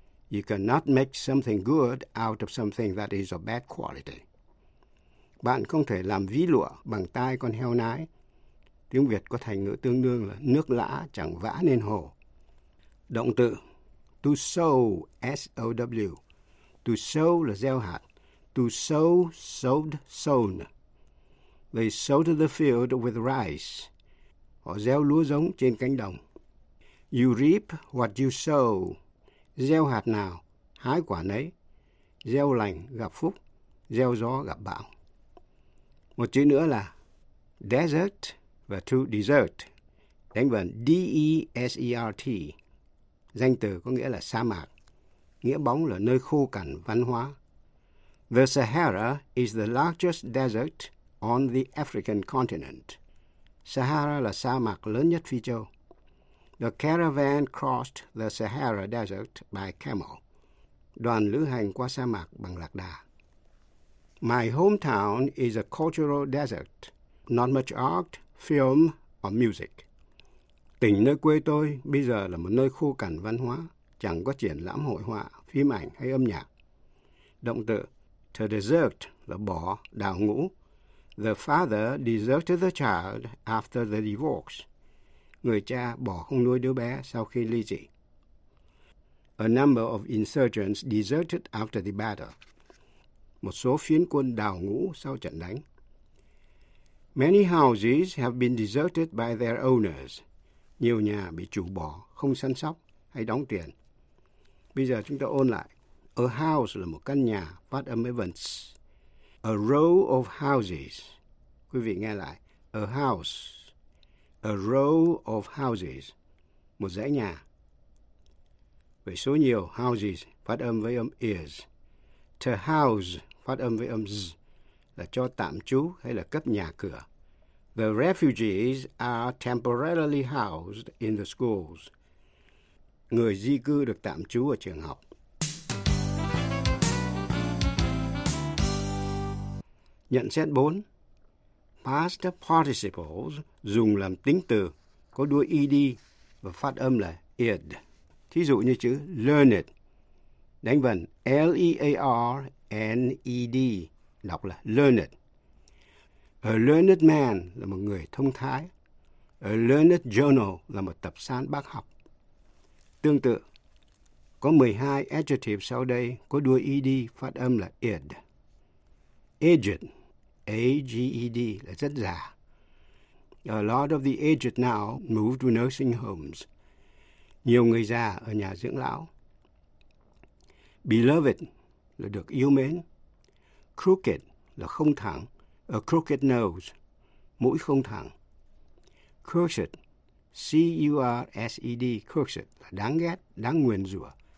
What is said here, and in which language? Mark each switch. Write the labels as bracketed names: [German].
[English] You cannot make something good out of something that is of bad quality. [Vietnamese] Bạn không thể làm ví lụa bằng tai con heo nái. Tiếng Việt có thành ngữ tương đương là nước lã chẳng vã nên hồ. Động từ to sow, S-O-W. [English] To sow [Vietnamese] là gieo hạt. [English] To sow, sowed, sown. They sowed the field with rice. [Vietnamese] Họ gieo lúa giống trên cánh đồng. [English] You reap what you sow. [Vietnamese] Gieo hạt nào, hái quả nấy. Gieo lành, gặp phúc. Gieo gió, gặp bão. Một chữ nữa là desert và to desert. Đánh vần D-E-S-E-R-T. Danh từ có nghĩa là sa mạc. Nghĩa bóng là nơi khô cằn văn hóa. [English] The Sahara is the largest desert on the African continent. [Vietnamese] Sahara là sa mạc lớn nhất phi châu. [English] The caravan crossed the Sahara Desert by camel. [Vietnamese] Đoàn lữ hành qua sa mạc bằng lạc đà. [English] My hometown is a cultural desert, not much art, film, or music. [Vietnamese] Tỉnh nơi quê tôi bây giờ là một nơi khô cằn văn hóa, chẳng có triển lãm hội họa, phim ảnh hay âm nhạc. Động từ to desert là bỏ, đào ngũ. [English] The father deserted the child after the divorce. [Vietnamese] Người cha bỏ không nuôi đứa bé sau khi ly dị. [English] A number of insurgents deserted after the battle. [Vietnamese] Một số phiến quân đào ngũ sau trận đánh. [English] Many houses have been deserted by their owners. [Vietnamese] Nhiều nhà bị chủ bỏ, không săn sóc hay đóng tiền. Bây giờ chúng ta ôn lại. A house là một căn nhà, phát âm events. [English] A row of houses. [Vietnamese] Quý vị nghe lại. [English] A house. A row of houses. [Vietnamese] Một dãy nhà. Vậy số nhiều houses phát âm với âm is. To house phát âm với âm z là cho tạm trú hay là cấp nhà cửa. [English] The refugees are temporarily housed in the schools. [Vietnamese] Người di cư được tạm trú ở trường học. Nhận xét 4. Past participles dùng làm tính từ, có đuôi ed và phát âm là ed. Thí dụ như chữ learned, đánh vần L-E-A-R-N-E-D, đọc là learned. [English] A learned man [Vietnamese] là một người thông thái. [English] A learned journal [Vietnamese] là một tập san bác học. Tương tự, có 12 adjectives sau đây có đuôi ed phát âm là ed. Aged, A-G-E-D, là rất già. [English] A lot of the aged now moved to nursing homes. [Vietnamese] Nhiều người già ở nhà dưỡng lão. Beloved là được yêu mến. Crooked là không thẳng. [English] A crooked nose, [Vietnamese] mũi không thẳng. Cursed, C-U-R-S-E-D, cursed là đáng ghét, đáng nguyền rủa.